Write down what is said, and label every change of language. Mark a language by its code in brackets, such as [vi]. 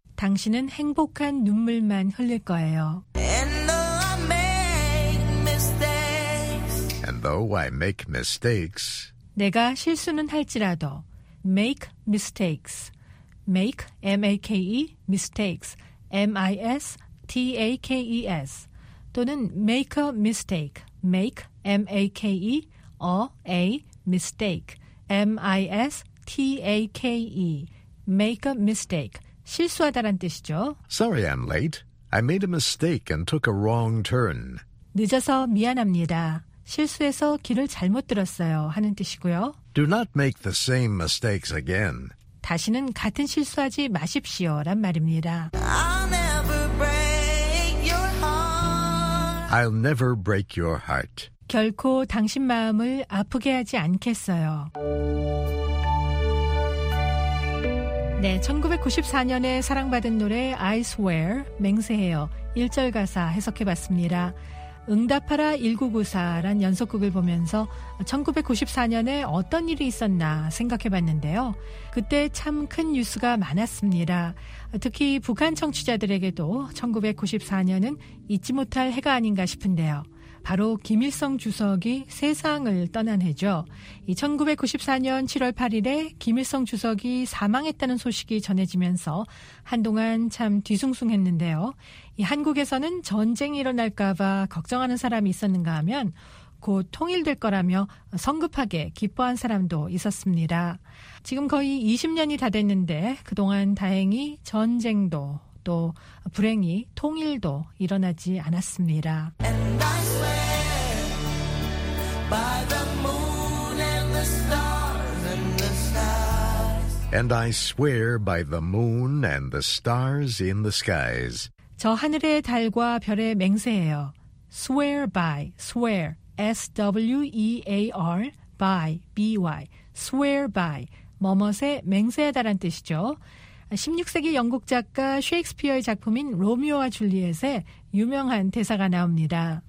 [ko] 당신은 행복한 눈물만 흘릴 거예요. [en] And though I make mistakes. And though I make mistakes. [ko] 내가 실수는 할지라도 make mistakes. [en] make M-A-K-E mistakes. M-I-S-T-A-K-E-S. [ko] 또는 [en] make a mistake. make M-A-K-E a a mistake. M-I-S-T-A-K-E. make a mistake. [ko] 실수하다란 뜻이죠. [en] Sorry I'm late. I made a mistake and took a wrong turn. [ko] 늦어서 미안합니다. 실수해서 길을 잘못 들었어요 하는 뜻이고요. [en] Do not make the same mistakes again. [ko] 다시는 같은 실수하지 마십시오 란 말입니다. [en] I'll never break your heart. I'll never break your heart. [ko] 결코 당신 마음을 아프게 하지 않겠어요. 네, 1994년에 사랑받은 노래 I Swear, 맹세해요. 1절 가사 해석해봤습니다. 응답하라 1994란 연속극을 보면서 1994년에 어떤 일이 있었나 생각해봤는데요. 그때 참 큰 뉴스가 많았습니다. 특히 북한 청취자들에게도 1994년은 잊지 못할 해가 아닌가 싶은데요. 바로 김일성 주석이 세상을 떠난 해죠. 이 1994년 7월 8일에 김일성 주석이 사망했다는 소식이 전해지면서 한동안 참 뒤숭숭했는데요. 이 한국에서는 전쟁이 일어날까 봐 걱정하는 사람이 있었는가 하면 곧 통일될 거라며 성급하게 기뻐한 사람도 있었습니다. 지금 거의 20년이 다 됐는데 그동안 다행히 전쟁도 또 불행히 통일도 일어나지 않았습니다. [en] And I swear by the moon and the stars and the skies. And I swear by the moon and the stars in the skies. [ko] 저 하늘의 달과 별에 맹세해요. [en] Swear by, swear, S-W-E-A-R, by, B-Y. [ko] Swear by, 뭐뭇에 맹세하다란 뜻이죠. 16세기 영국 작가 셰익스피어의 작품인 로미오와 줄리엣에 유명한 대사가 나옵니다.